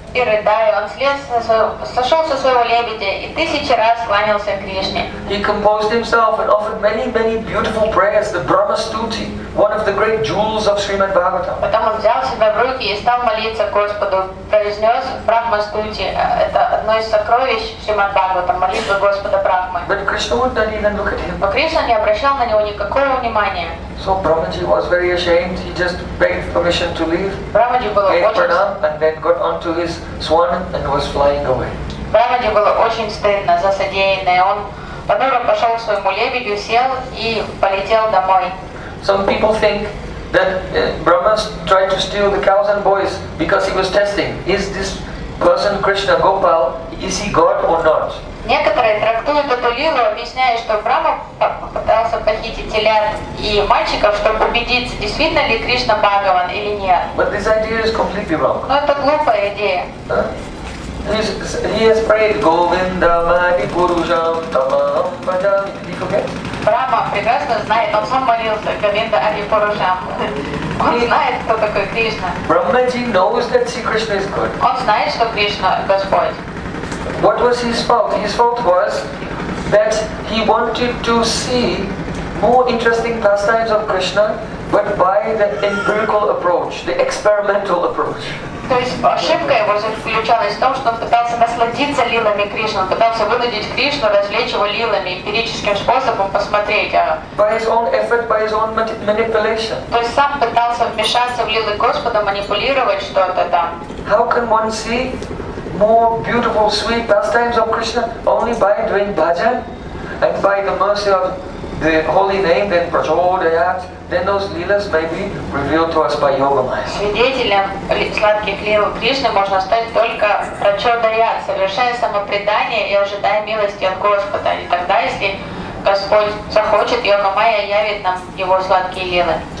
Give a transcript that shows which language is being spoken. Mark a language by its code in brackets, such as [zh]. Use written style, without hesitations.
[ru] И рыдая, он сошел со своего лебедя и тысячи раз кланялся Кришне. [en] He composed himself and offered many, many beautiful prayers, the Brahma Stuti, one of the great jewels of Srimad Bhagavatam. [ru] Потом он взял себя в руки и стал молиться Господу, произнес Брахма Стути, это одно из сокровищ Шримад Бхагаватам, молитва Господа Брахмы. [en] But Krishna would not even look at him. [ru] Но Кришна не обращал на него никакого внимания. [en] So Brahmaji was very ashamed. He just begged permission to leave. Brahmaji gave pranam and then got onto his swan and was flying away. [ru] Brahmaji было очень стыдно за содеянное. Он потом пошел к своему лебедю, сел и полетел домой. [en] Some people think that Brahma tried to steal the cows and boys because he was testing. Is this person Krishna Gopal? Is he God or not? [ru] Некоторые трактуют эту лилу, объясняя, что Брахма попытался похитить телят и мальчиков, чтобы убедиться, действительно ли Кришна Бхагаван или нет. [en] But this idea is completely wrong. [ru] Но это глупая идея. [en] He has prayed [sa] Govinda Mani Purusham Tamam Bhajami. [en] Did he forget? [ru] Брахма прекрасно знает, он сам молился [sa] Govinda Mani Purusham. [ru] Он знает, кто такой Кришна. [en] Brahmaji knows that Sri Krishna is good. [ru] Он знает, что Кришна Господь. [en] What was his fault? His fault was that he wanted to see more interesting pastimes of Krishna, but by the empirical approach, the experimental approach. [ru] То есть ошибка его заключалась в том, что он пытался насладиться лилами Кришны, он пытался вынудить Кришну развлечь его лилами эмпирическим способом посмотреть. [en] By his own effort, by his own manipulation. [ru] То есть сам пытался вмешаться в лилы Господа, манипулировать что-то там. [en] How can one see more beautiful, sweet pastimes of Krishna only by doing bhajan and by the mercy of the holy name, then prachodayat, then those lilas may be revealed to us by Yogamaya. [ru] Свидетелем сладких лил Кришны можно стать только прачодаят, совершая самопредание и ожидая милости от Господа. И тогда, если Господь захочет, Йогамая явит нам его сладкие лилы.